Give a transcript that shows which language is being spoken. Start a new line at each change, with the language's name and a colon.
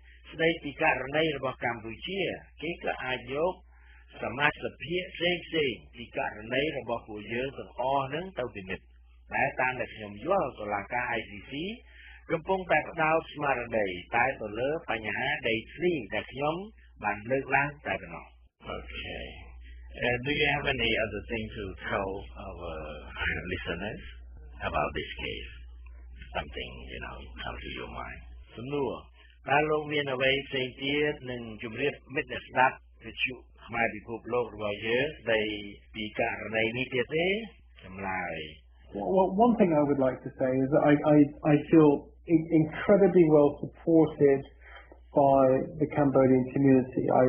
Khmer: ស្ដីពីករណីរបស់កម្ពុជាគេក៏អាចយកសមាជិកភាគផ្សេងៗពីករណីរបស់ពួកយើងទាំងអស់នឹងទៅពិនិត្យតែតាមដែលខ្ញុំយល់តុលាការ ICCកំពុងតែផ្ដោតស្មារតីតែទៅលើបញ្ហាដីធ្លីដែលខ្ញុំបានលើកឡើងតែប៉ុណ្ណោះ
English: Okay. Do you have any other thing to tell our listeners about this case? Something, you know, comes to your mind?
Khmer: សំណួរតើលោកមានអ្វីផ្សេងទៀតនឹងជម្រាបមិត្តស្ដាប់ឬជួបផ្នែកពិភពលោករបស់យើងដែលពីករណីនេះទៀតទេចម្លើយ
English: Well, one thing I would like to say is that I feel incredibly well supported by the Cambodian community.